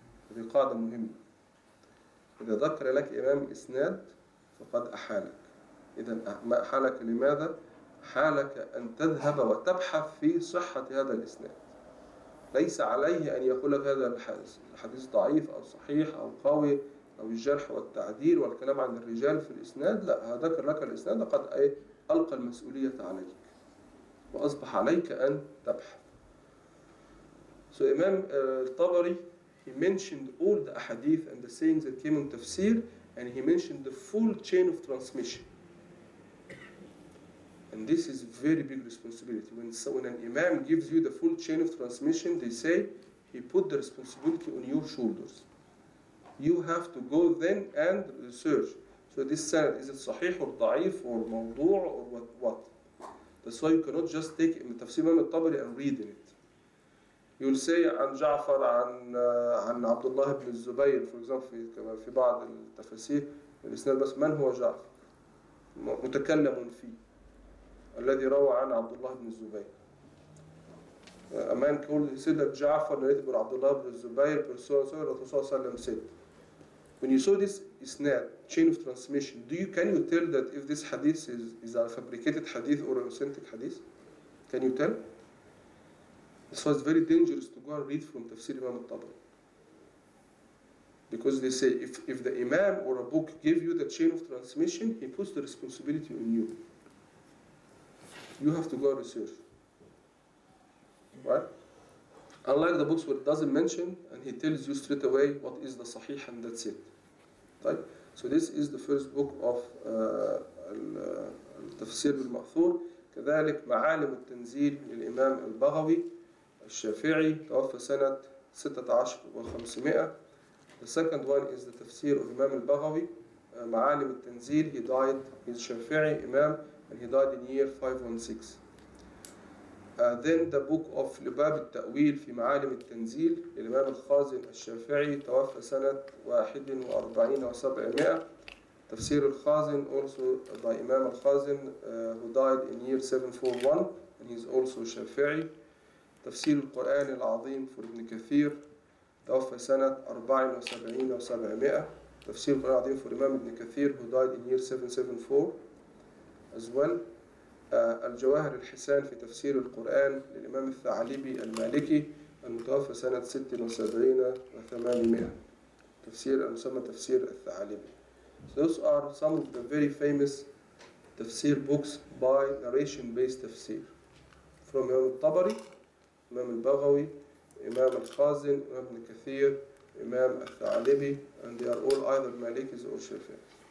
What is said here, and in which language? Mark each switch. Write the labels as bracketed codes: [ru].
[ar] هذه قاعدة مهمة إذا ذكر لك إمام إسناد فقد أحالك إذا ما أحالك لماذا؟ حالك أن تذهب وتبحث في صحة هذا الإسناد ليس عليه أن يقول لك هذا الحديث ضعيف أو صحيح أو قوي أو الجرح والتعديل والكلام عن الرجال في الإسناد لا ذكر لك الإسناد قد ألقى المسؤولية عليك وأصبح عليك أن تبحث [en] So Imam Tabari he mentioned all the ahadith and the sayings that came in tafsir and he mentioned the full chain of transmission And this is a very big responsibility. When an imam gives you the full chain of transmission, they say he put the responsibility on your shoulders. You have to go then and research. So this sanad, is it sahih or da'if or mawdu' or what? That's why you cannot just take it, tafsir Imam al-Tabari and read in it. You'll say, [ar] عن جعفر, عن عبد الله بن الزبير, [en] for example, [ar] في بعض التفاسير, من هو جعفر؟ متكلم فيه. الذي روى عن عبد الله بن الزبير. [en] A man called he said that [ar] جعفر [en] narrated by [ar] عبد الله بن الزبير رسول الله صلى الله عليه وسلم said. [en] When you saw this isnad chain of transmission, can you tell that if this hadith is a fabricated hadith or an authentic hadith? Can you tell? This was very dangerous to go and read from Tafsir Imam al-Tabari. Because they say if the imam or a book give you the chain of transmission, he puts the responsibility on you. You have to go and research. Right? Unlike the books where it doesn't mention and he tells you straight away what is the sahih and that's it. Right? So this is the first book of Al-Tafsir al-Ma'thur. [ar] كذلك معالم التنزيل للإمام البغوي الشافعي توفى سنة 1600. [en] The second one is the Tafsir of Imam al-Baghawi. معالم التنزيل he died, he's الشافعي Imam. And he died in year 516. Then the book of [ar] لباب التأويل في معالم التنزيل الإمام الخازن الشافعي توفى سنة 41 و700 تفسير الخازن [en] also by [ar] إمام الخازن [en] who died in year 741 and he's also [ar] شافعي تفسير القرآن العظيم for ابن كثير توفى سنة 74 و700 تفسير القرآن العظيم for إمام ابن كثير [en] who died in year 774 as well. [ar] الجواهر الحسان في تفسير القرآن للإمام الثعلبي المالكي المتوفى سنة 76 و800 تفسير المسمى تفسير الثعلبي. [en] So those are some of the very famous تفسير books by narration based تفسير from إمام الطبري إمام البغوي إمام الخازن إمام ابن كثير إمام الثعلبي and they are all either Malikis or Shafi'is.